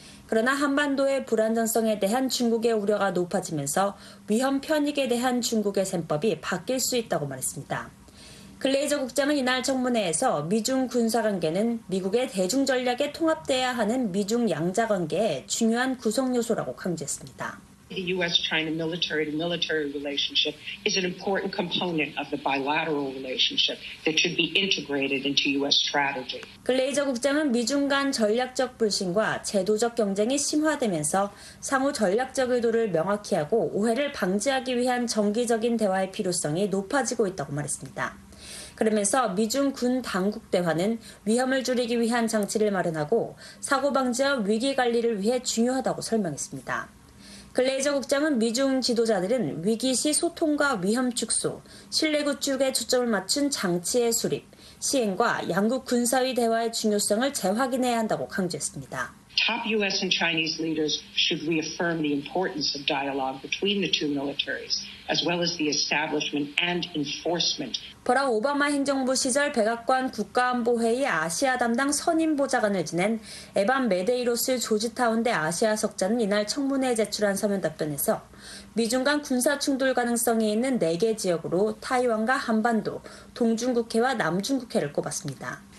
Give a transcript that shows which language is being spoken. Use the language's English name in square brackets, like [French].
[Korean] 그러나 한반도의 불안정성에 대한 중국의 우려가 높아지면서 위험 편익에 대한 중국의 셈법이 바뀔 수 있다고 말했습니다. 글레이저 국장은 이날 청문회에서 미중 군사관계는 미국의 대중전략에 통합돼야 하는 미중 양자관계의 중요한 구성요소라고 강조했습니다. [English] The U.S.-China military-to-military relationship is an important component of the bilateral relationship that should be integrated into U.S. strategy. [Korean] 글레이저 국장은 미중 간 전략적 불신과 제도적 경쟁이 심화되면서 상호 전략적 의도를 명확히 하고 오해를 방지하기 위한 정기적인 대화의 필요성이 높아지고 있다고 말했습니다. 그러면서 미중 군 당국 대화는 위험을 줄이기 위한 장치를 마련하고 사고 방지와 위기 관리를 위해 중요하다고 설명했습니다. 글레이저 국장은 미중 지도자들은 위기 시 소통과 위험 축소, 신뢰 구축에 초점을 맞춘 장치의 수립, 시행과 양국 군사위 대화의 중요성을 재확인해야 한다고 강조했습니다. [English] Top U.S. and Chinese leaders should reaffirm the importance of dialogue between the two militaries, as well as the establishment and enforcement. [Korean] 버락 오바마 행정부 시절 백악관 국가안보회의 아시아 담당 선임 보좌관을 지낸 에반 메데이로스 조지타운대 아시아 석좌는 이날 청문회에 제출한 서면 답변에서 미중 간 군사 충돌 가능성이 있는 4개 지역으로 타이완과 한반도, 동중국해와 남중국해를 꼽았습니다.